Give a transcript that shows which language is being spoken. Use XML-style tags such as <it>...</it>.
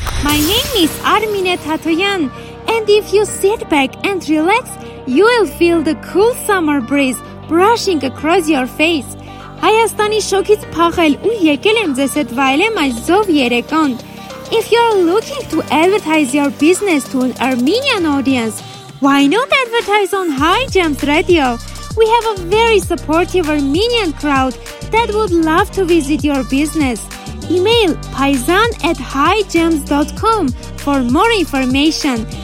<en>My name is Armine Tatoyan, and if you sit back and relax, you will feel the cool summer breeze brushing across your face.</en> <hy>Հայաստանի շոգից փախել ու եկել եմ ձեզ հետ վայելեմ այս զով երեկոն.</hy> <en>If you are looking to advertise your business to an Armenian audience, why not advertise on High Jams Radio? We have a very supportive Armenian crowd that would love to visit your business. Email paizan@highjams.com for more information.</en>